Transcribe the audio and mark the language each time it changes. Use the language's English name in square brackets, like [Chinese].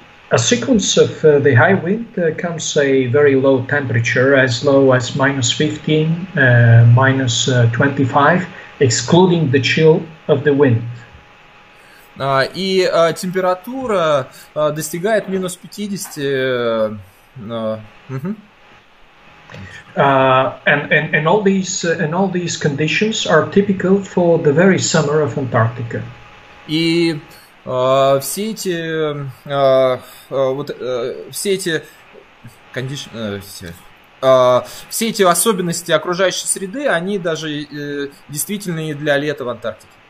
[English] A sequence of the high wind comes a very low temperature, as low as minus 15, minus 25, excluding the chill of the wind. [Russian] И температура достигает минус 50. [English] And all these conditions are typical for the very summer of Antarctica. [Russian] И все эти вот все эти condition, все эти особенности окружающей среды, они даже действительны и для лета в Антарктике.